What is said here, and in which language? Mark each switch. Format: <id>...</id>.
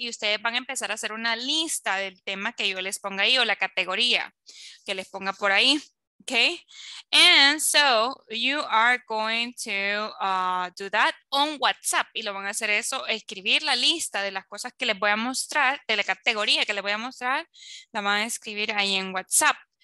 <es>Y ustedes van a empezar a hacer una lista del tema que yo les ponga ahí o la categoría que les ponga por ahí, okay?</es> <en>And so you are going to do that on WhatsApp.</en> <es>Y lo van a hacer eso, escribir la lista de las cosas que les voy a mostrar, de la categoría que les voy a mostrar, la van a escribir ahí en WhatsApp.</es>